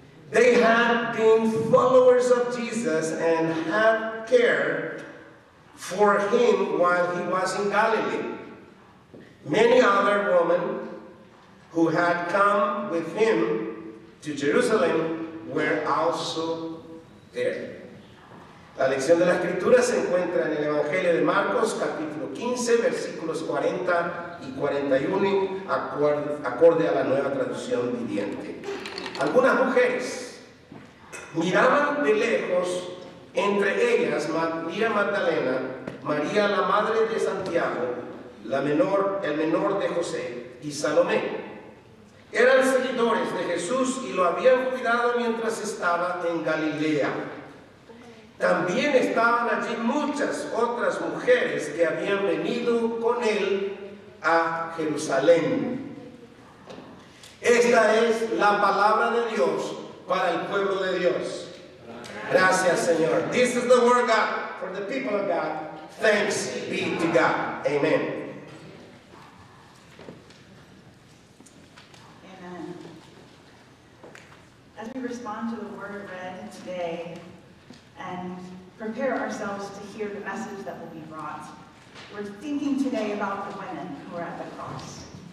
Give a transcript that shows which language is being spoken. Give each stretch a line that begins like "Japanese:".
English: They had been followers of Jesus and had cared for him while he was in Galilee. Many other women who had come with him to Jerusalem were also there.
Spanish: La lección de la Escritura se encuentra en el Evangelio de Marcos, capítulo 15, versículos 40 y 41, acorde a la nueva traducción viviente. Algunas mujeres miraban de lejos, entre ellas María Magdalena, María la madre de Santiago, el menor de José y Salomé. Eran seguidores de Jesús y lo habían cuidado mientras estaba en Galilea. También estaban allí muchas otras mujeres que habían venido con él a Jerusalén. Esta es la palabra de Dios para el pueblo de Dios. Gracias, Señor.
English: This is the word of God for the people of God. Thanks be to God. Amen. Amen. As we respond to the word read today and prepare ourselves to hear the message that will be brought, we're thinking today about the women who are at the cross.